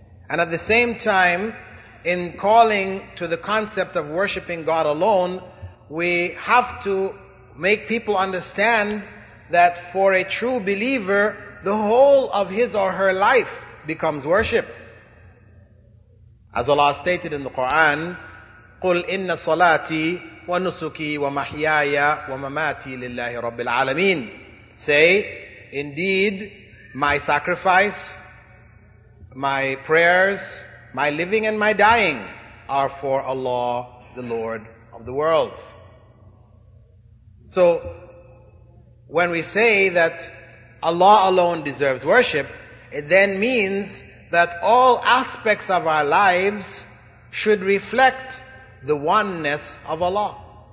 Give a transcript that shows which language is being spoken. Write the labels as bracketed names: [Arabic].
[English] And at the same time, in calling to the concept of worshiping God alone, we have to make people understand that for a true believer, the whole of his or her life becomes worship. As Allah stated in the Quran, [Arabic] قُلْ إِنَّ صَلَاتِي وَنُسُكِي وَمَحْيَايَ وَمَمَاتِي لِلَّهِ رَبِّ الْعَالَمِينَ. [English] say, indeed, my sacrifice, my prayers, my living and my dying are for Allah, the Lord of the worlds. So, when we say that Allah alone deserves worship, it then means that all aspects of our lives should reflect the oneness of Allah.